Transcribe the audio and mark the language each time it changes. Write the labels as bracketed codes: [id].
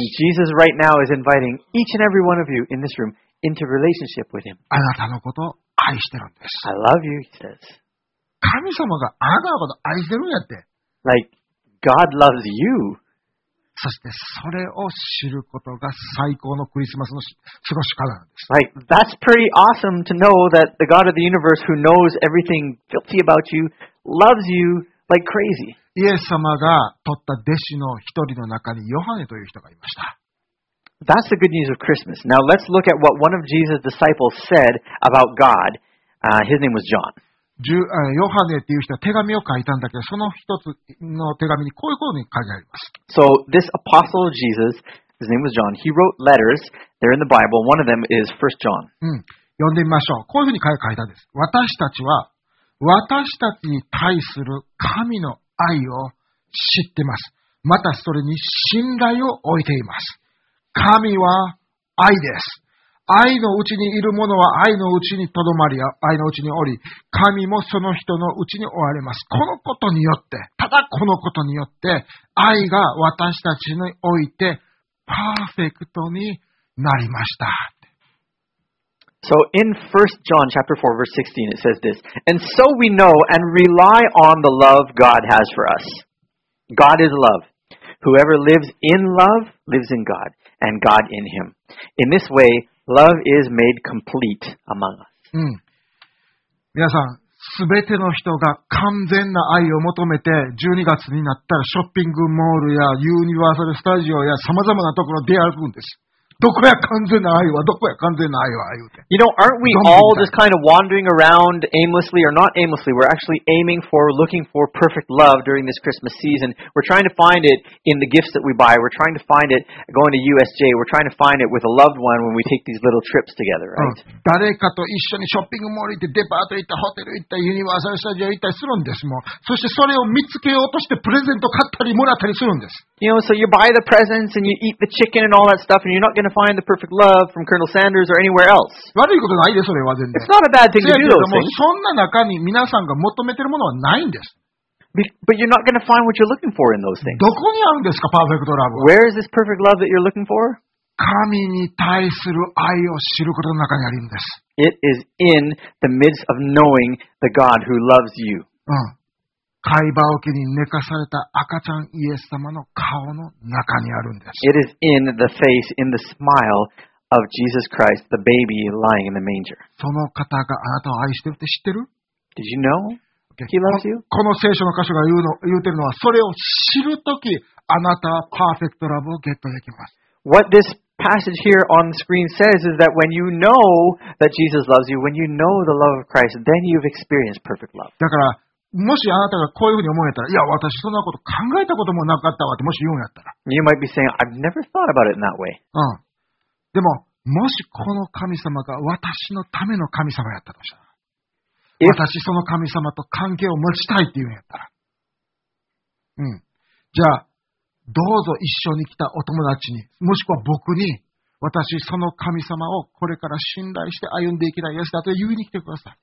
[en] And Jesus right now is inviting each and every one of you in this room into relationship with him. [ja] あなたのこと愛してるんです。 [en] I love you, he says. [ja] 神様があなたのこと愛してるんやって。 [en] Like, God loves you. [ja] そしてそれを知ることが最高のクリスマスの過ごし方なんです。 [en] Like, that's pretty awesome to know that the God of the universe who knows everything filthy about you loves you like crazy. [ja] イエス様が取った弟子の一人の中にヨハネという人がいました。 [en] That's the good news of Christmas. Now let's look at what one of Jesus' disciples said about God. His name was John. [ja] ヨハネっていう人は手紙を書いたんだけど、その一つの手紙にこういうことに書いてあります。 [en] So this apostle of Jesus, his name was John. He wrote letters. They're in the Bible. One of them is 1 John. [ja] 読んでみましょう。こういうふうに書いたんです。私たちは私たちに対する神の愛を知ってます。またそれに信頼を置いています。神は愛です。愛のうちにいるものは愛のうちにとどまり、愛のうちにおり、神もその人のうちにおられます。このことによって、ただこのことによって、愛が私たちにおいてパーフェクトになりました。 [en] So in 1 John chapter 4 verse 16 it says this, And so we know and rely on the love God has for us. God is love. Whoever lives in love lives in God, and God in him. In this way, love is made complete among us.、 [ja] うん、皆さん、すべての人が完全な愛を求めて、12月になったらショッピングモールやユニバーサルスタジオやさまざまなところで歩くんです。どこや完全な愛は、どこや完全な愛は、言うて。 [en] You know, aren't we all just kind of wandering around aimlessly, or not aimlessly, we're actually aiming for, looking for perfect love during this Christmas season. We're trying to find it in the gifts that we buy, we're trying to find it going to USJ, we're trying to find it with a loved one when we take these little trips together, right?、 [ja] うん、誰かと一緒にショッピングモール行って、デパート行った、ホテル行った、ユニバーサルスタジオ行ったりするんですもん。そしてそれを見つけようとしてプレゼント買ったりもらったりするんです。 [en] You know, so you buy the presents and you eat the chicken and all that stuff, and you're not going to find the perfect love from Colonel Sanders or anywhere else. [ja] 悪いことないです、それは全然。 [en] It's not a bad thing to do those things. [ja] そんな中に皆さんが求めてるものはないんです。 [en] But you're not going to find what you're looking for in those things. [ja] どこにあるんですか、パーフェクトラブ。 [en] Where is this perfect love that you're looking for? [ja] 神に対する愛を知ることの中にあるんです。 [en] It is in the midst of knowing the God who loves you. うん。 [ja] 貝羽桶に寝かされた赤ちゃんイエス様の顔の中にあるんです。 [en] It is in the face, in the smile of Jesus Christ, the baby lying in the manger. [ja] その方があなたを愛してるって知ってる? [en] Did you know? He loves you? [ja] この聖書の箇所が言うてるのは、それを知るとき、あなたはパーフェクトラブをゲットできます。 [en] What this passage here on the screen says is that when you know that Jesus loves you, when you know the love of Christ, then you've experienced perfect love. [ja] だから、もしあなたがこういうふうに思えたら、いや、私そんなこと考えたこともなかったわって、もし言うんやったら。 [en] You might be saying, I've never thought about it in that way. うん。 [ja] でも、もしこの神様が私のための神様やったとしたら、私その神様と関係を持ちたいって言うんやったら。うん。じゃあ、どうぞ一緒に来たお友達に、もしくは僕に、私その神様をこれから信頼して歩んでいきたいですだと言いに来てください。